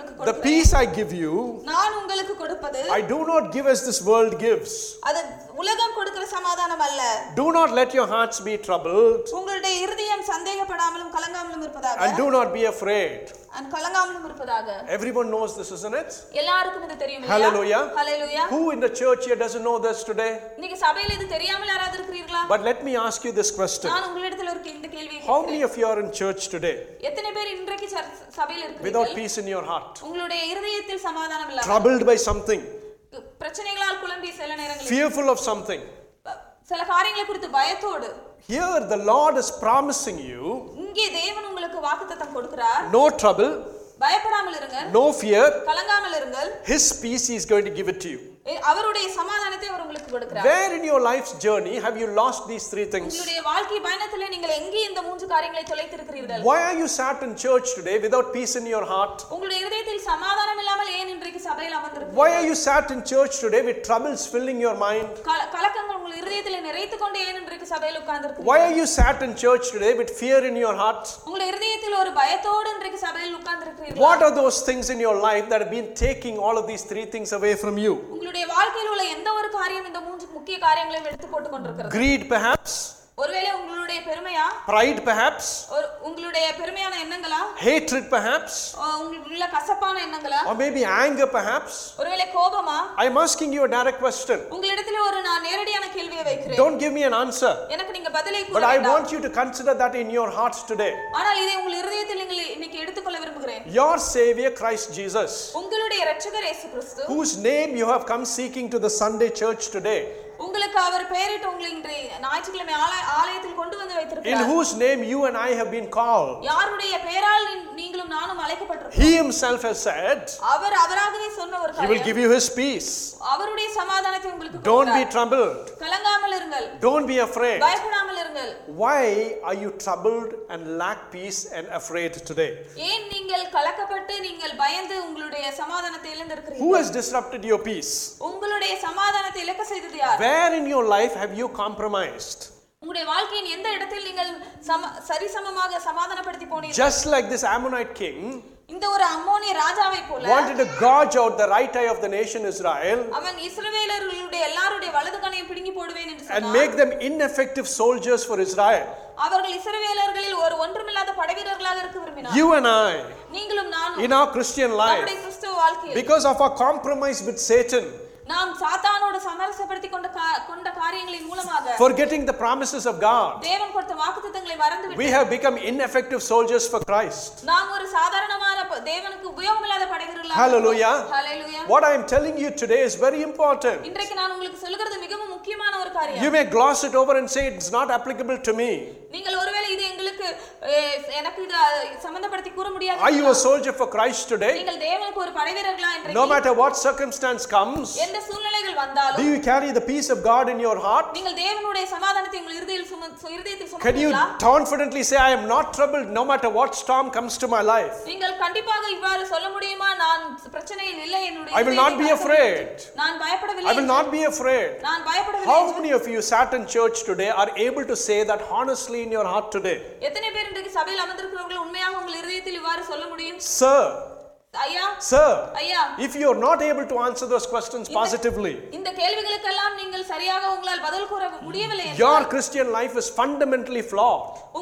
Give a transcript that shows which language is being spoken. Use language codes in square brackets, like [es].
[en] The peace I give you. I do not give as this world gives. [ta] உலகம் கொடுக்கிற சமாதானம் அல்ல [en] Do not let your hearts be troubled. [ta] உங்களுடைய இதயம் சந்தேகப்படாமலும் கலங்காமலும் இருப்பதாக [en] And do not be afraid. [ta] And கலங்காமலும் இருப்பதாக [en] Everyone knows this isn't it? [ta] எல்லாருக்கும் இது தெரியும் இல்லையா Hallelujah. [en] Hallelujah. Who in the church here doesn't know this today? [ta] நீங்க சபையில இது தெரியாமல யாராவது இருக்கிறீர்களா [en] But let me ask you this question. [ta] நான் உங்களிடத்தில் ஒரு இந்த கேள்வியை [en] How many of you are in church today? [ta] எத்தனை பேர் இன்றைக்கு சபையில் இருக்கீங்க [en] Without peace in your heart. [ta] உங்களுடைய இதயத்தில் சமாதானம் இல்ல [en] Troubled by something. [ta] பிரச்சனைகளால் குழம்பி சில நேரங்களில் [en] fearful of something [ta] சில காரியங்களை குறித்து பயத்தோடு [en] here the lord is promising you [ta] இங்கே தேவன் உங்களுக்கு வாக்குத்தத்தம் கொடுக்கிறார் [en] no trouble [ta] பயப்படாமல் இருங்க [en] no fear [ta] கலங்காமல் இருங்கள் [en] his peace is going to give it to you [ta] அவருடைய சமாதானத்தை அவர் உங்களுக்கு கொடுக்கிறார் [en] where in your life's journey have you lost these three things [ta] உங்களுடைய வாழ்க்கை பயணத்தில் நீங்கள் எங்கே இந்த மூன்று காரியங்களை தொலைத்திருக்கிறீர்கள் [en] why are you sat in church today without peace in your heart [ta] உங்களுடைய இதயத்தில் சமாதானம் இல்லாமல் ஏன் இன்றைக்கு சபையில் அமர்ந்திருக்கிறீர்கள் [en] why are you sat in church today with troubles filling your mind [ta] கலக்கங்கள் உங்கள் இதயத்தில் நிறைத்து கொண்டு ஏன் இன்றைக்கு சபையில் உட்கார்ந்திருக்கிறீர்கள் [en] why are you sat in church today with fear in your heart [ta] உங்களுடைய இதயத்தில் ஒரு பயத்தோடு இன்றைக்கு சபையில் உட்கார்ந்திருக்கிறீர்கள் [en] what are those things in your life that have been taking all of these three things away from you [ta] உங்களுடைய வாழ்க்கையில் உள்ள எந்த ஒரு காரியம் இந்த மூன்று முக்கிய காரியங்களை எடுத்து போட்டுக் கொண்டிருக்கிறது [en] greed perhaps [ta] ஒருவேளை உங்களுடைய பெருமையா [en] pride perhaps [ta] உங்களுடைய பெருமையான எண்ணங்களா [en] hatred perhaps [ta] உங்களுக்குள்ள கசப்பான எண்ணங்களா [en] or maybe anger perhaps [ta] ஒருவேளை கோபமா [en] I'm asking you a direct question [ta] உங்களிடத்தில் ஒரு நான் நேரடியான கேள்வியை வைக்கிறேன் [en] don't give me an answer [ta] எனக்கு நீங்க பதிலை கூற வேண்டாம் [en] but I want you to consider that in your hearts today [ta] ஆனால் இதை உங்கள் இதயத்தில் நீங்கள் இன்னைக்கு எடுத்துக்கொள்ள விரும்புகிறேன் [en] your savior christ jesus [ta] உங்களுடைய இரட்சகர் இயேசு கிறிஸ்து [en] whose name you have come seeking to the sunday church today [ta] உங்களுக்கு அவர் பெயரிட்டு உங்களை இன்றைய ஞாயிற்றுக்கிழமை ஆலயத்தில் கொண்டு வந்து வைத்திருக்கிறார் [en] In whose name you and I have been called [ta] யாருடைய பெயரால் நீங்களும் நானும் அழைக்கப்பட்டிருக்கிறோம் [en] He himself has said [ta] அவர் அவராகவே சொன்ன ஒரு காரியம் [en] He will give you his peace [ta] அவருடைய சமாதானத்தை உங்களுக்கு [en] Don't be troubled [ta] கலங்காமல் இருங்கள் [en] Don't be afraid [ta] பயப்படாமல் இருங்கள் [en] Why are you troubled and lack peace and afraid today [ta] ஏன் நீங்கள் கலக்கப்பட்டு நீங்கள் பயந்து உங்களுடைய சமாதானத்தை இழந்திருக்கிறீர்கள் [en] Who has disrupted your peace [ta] உங்களுடைய சமாதானத்தை இழக்க செய்தது யார் [en] Where in your life have you compromised? [ta] உங்கள் வாழ்க்கையின் எந்த இடத்தில் நீங்கள் சரிசமமாக சமாதானப்படுத்தி போனீர்கள்? [en] Just like this Ammonite king [ta] இந்த ஒரு அம்மோனிய ராஜாவை போல [en] wanted to gouge out the right eye of the nation Israel [ta] அவன் இஸ்ரவேலர்களுடைய எல்லாருடைய வலது கண்ணை பிடுங்கி போடுவேன் என்று சொன்னான் [en] and make them ineffective soldiers for Israel [ta] அவர்கள் இஸ்ரவேலர்களில் ஒரு ஒன்றுமில்லாத படைவீரர்களாக இருக்க விரும்பினார் [en] you and I [ta] நீங்களும் நானும் [en] in our christian life [ta] நம்முடைய கிறிஸ்துவ வாழ்க்கையில் [en] because of our compromise with satan [ta] நாம் சாத்தானோடு சமரசப்படுத்தி கொண்ட காரியங்களின் மூலமாக [en] forgetting the promises of God [ta] தேவன் கொடுத்த வாக்குத்தத்தங்களை மறந்து விட்டு [en] we have become ineffective soldiers for Christ [ta] நாம் ஒரு சாதாரணமான தேவனுக்கு உபயோகமில்லாத படைவீரர்களாக [en] hallelujah hallelujah what I am telling you today is very important [ta] இன்றைக்கு நான் உங்களுக்கு சொல்கிறது மிகவும் முக்கியமான ஒரு காரியம் [en] you may gloss it over and say it's not applicable to me [ta] நீங்கள் ஒருவேளை இது எங்களுக்கு எனக்கு இது சம்பந்தப்படுத்தி கூற முடியாது [en] are you a soldier for Christ today [ta] நீங்கள் தேவனுக்கு ஒரு படைவீரர்களா இன்றைக்கு [en] no matter what circumstance comes Do you carry the peace of God in your heart? [ta] நீங்கள் தேவனுடைய சமாதானத்தை உங்கள் இதயத்தில் சுமந்துகொள்கிறீர்களா? [en] Can you confidently say I am not troubled no matter what storm comes to my life? [ta] நீங்கள் கண்டிப்பாக இவ்வாறு சொல்ல முடியுமா நான் பிரச்சனையில் இல்லை என்னுடைய [en] I will not be afraid. [ta] நான் பயப்படவில்லை. [en] I will not be afraid. [ta] நான் பயப்படவில்லை. [en] How many of you sat in church today are able to say that honestly in your heart today? [ta] எத்தனை பேர் இன்றைக்கு சபையில் அமர்ந்திருக்கிறவர்கள் உண்மையாக உங்கள் இதயத்தில் இவ்வாறு சொல்ல முடியும்? [en] Sir Sir, if you are not able to answer those questions positively, your Christian life is fungentially flawed.